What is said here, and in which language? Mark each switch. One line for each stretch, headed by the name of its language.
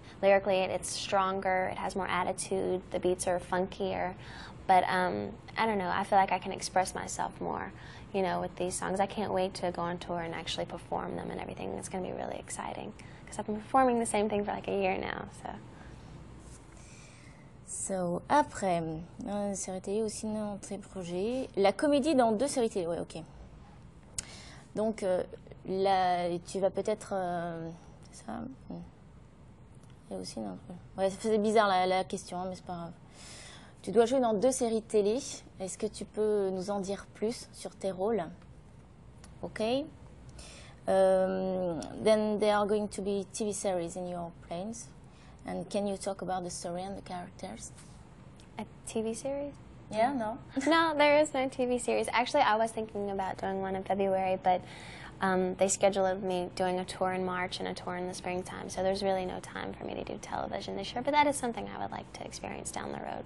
English: lyrically it's stronger, it has more attitude, the beats are funkier, but I don't know, I feel like I can express myself more, you know, with these songs. I can't wait to go on tour and actually perform them and everything. It's going to be really exciting because I've been performing the same thing for like a year now, so.
French: So, après, une série télé ou ciné en pré-projet, la comédie dans deux séries télé, oui, ok. Donc, là, tu vas peut-être, ça, et aussi, non, ouais, ça faisait bizarre la question, mais c'est pas grave. Tu dois jouer dans deux séries télé, est-ce que tu peux nous en dire plus sur tes rôles? Ok.
English: Then there are going to be TV series in your plans. And can you talk about the story and the characters? A TV series? Yeah, no. No, there is no TV series. Actually, I was thinking about doing one in February, but they scheduled me doing a tour in March and a tour in the springtime, so there's really no time for me to do television this year, but that is something I would like to experience down the road.